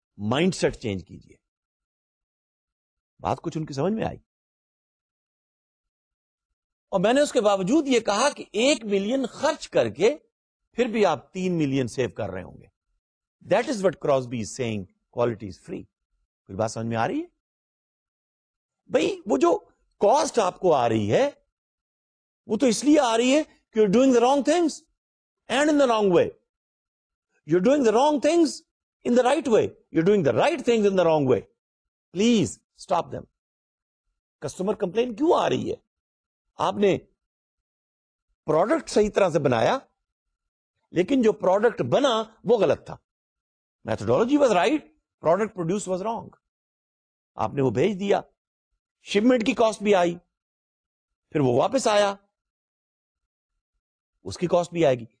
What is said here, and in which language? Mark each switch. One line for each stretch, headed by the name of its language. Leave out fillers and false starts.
Urdu: Mind set change کیجئے. بات کچھ ان کی سمجھ میں آئی؟ اور میں نے اس کے باوجود یہ کہا کہ 1 خرچ کر کے پھر بھی آپ 3 سیو کر رہے ہوں گے.
English: That is what Crosby is saying quality is free.
Urdu: کوئی بات سمجھ میں آ رہی ہے بھائی؟ وہ جو کاسٹ آپ کو آ رہی ہے وہ تو اس لیے آ رہی ہے کہ
English: You doing the wrong things and in the wrong way. You doing the wrong things in the right way, you doing the right things in the wrong way. Please stop them.
Urdu: Customer complain کیوں آ رہی ہے؟ آپ نے product صحیح طرح سے بنایا لیکن جو پروڈکٹ بنا وہ غلط تھا.
English: Methodology was right, product produce was wrong.
Urdu: آپ نے وہ بھیج دیا, شپمنٹ کی کاسٹ بھی آئی, پھر وہ واپس آیا, اس کی کاسٹ بھی آئے گی.